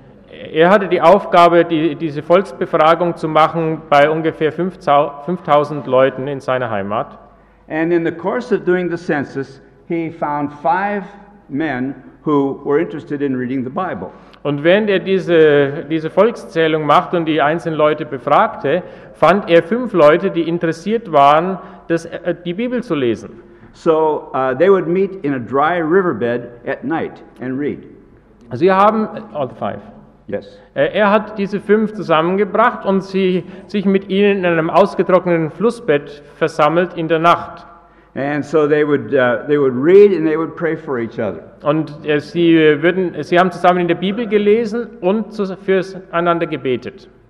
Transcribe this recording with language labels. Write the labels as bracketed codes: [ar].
[de] Er hatte die Aufgabe, diese Volksbefragung zu machen bei ungefähr 5,000 Leuten in seiner Heimat. [en] And in the course of doing the census, he found 5 men who were interested in reading the Bible. [de] Und während er diese Volkszählung macht und die einzelnen Leute befragte, fand er 5 Leute, die interessiert waren, die Bibel zu lesen. [en] So they would meet in a dry riverbed at night and read. [de] Sie haben all 5. [en] Yes. [de] Er hat diese 5 zusammengebracht und sie sich mit ihnen in einem ausgetrockneten Flussbett versammelt in der Nacht. [en] And so they would read and they would pray for each other. [de] Und sie haben zusammen in der Bibel gelesen und füreinander gebetet.